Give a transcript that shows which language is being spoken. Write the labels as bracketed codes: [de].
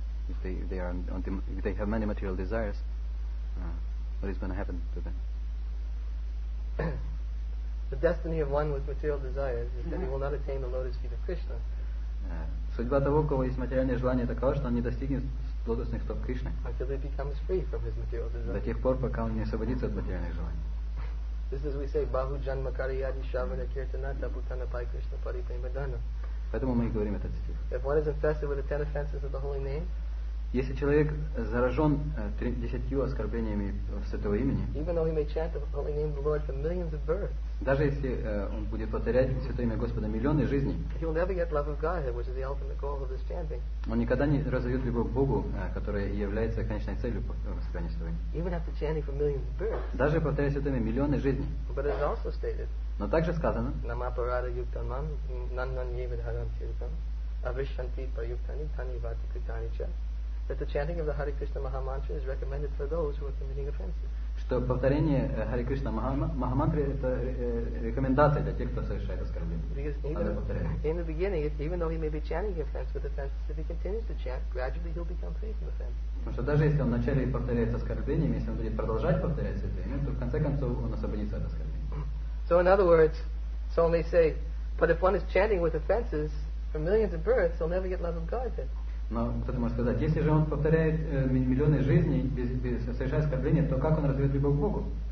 [en] If they are on the, if they have many material desires, what is going to happen to them? The destiny of one with material desires is that he will not attain the lotus feet of Krishna. [ru] Судьба того, у кого есть материальные желания, такова, что он не достигнет лотосных стоп Кришны. [en] Until he becomes free from his material desires. [ru] До тех пор, пока он не освободится от материальных желаний. [en] This is, we say, Bahu Janma Kariyadi Shavana Kirtanata Bhutana Pai Krishna Pari Pai Madana. [ru] Поэтому мы и говорим этот стих. [en] If one is infested with the 10 offenses of the holy name, [ru] если человек заражен 10 оскорблениями святого имени, [en] even though he may chant the holy name of the Lord for millions of births, [ru] даже если он будет повторять святое имя Господа миллионы жизней, [en] he will never get love of Godhead, which is the ultimate goal of this chanting. [ru] Он никогда не разовьет любовь к Богу, которая является конечной целью воспевания святого имени. [en] Even after chanting for millions of births, [ru] даже повторяя святое имя миллионы жизней. [en] But it is also stated, [ru] но также сказано, Намапарада Юктанман Наннан Еведхарам Тиртам Авишанти Парюктани Тани Вати Кританиче. [en] That the chanting of the Hare Krishna Maha Mantra is recommended for those who are committing offenses. [ru] Что повторение Hare Krishna Maha Mantra это рекомендация для тех, кто совершает оскорбление. [en] In the beginning, even though he may be chanting offense with offenses, if he continues to chant, gradually he'll become free from offense. [ru] Потому что даже если он вначале повторяет оскорбление, если он будет продолжать повторять это, то в конце концов он освободится от оскорбления. [en] So in other words, someone may say, but if one is chanting with offenses for millions of births, he'll never get love of God then. [ru] Но кто-то может сказать, если же он повторяет миллионы жизней без совершая оскорбления, то как он развивает любовь к Богу?